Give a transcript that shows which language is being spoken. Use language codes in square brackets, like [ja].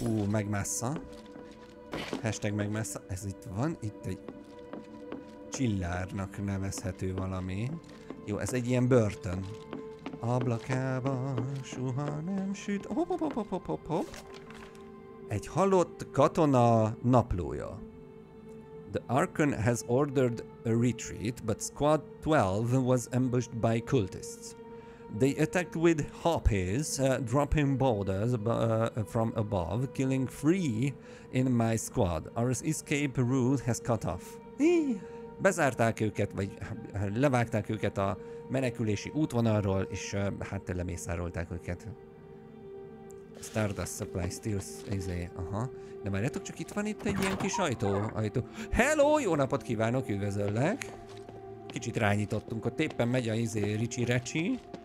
[hu] Megmásza. Hashtag megmásza. Ez itt van. Itt egy csillárnak nevezhető valami. Jó, ez egy ilyen börtön. Ablakába soha nem süt. Hop. Egy halott katona naplója. [en] The Archon has ordered a retreat, but squad 12 was ambushed by cultists. They attacked with harpies, dropping boulders from above, killing 3 in my squad. Our escape route has cut off. [hu] Bezárták őket, vagy levágták őket a menekülési útvonalról, és hát lemészárolták őket. Stardust Supply Steals, aha. De várjátok, csak itt van itt egy ilyen kis ajtó. Hello, jó napot kívánok, üdvözöllek. Kicsit rányitottunk, ott éppen megy a ricsi-recsi.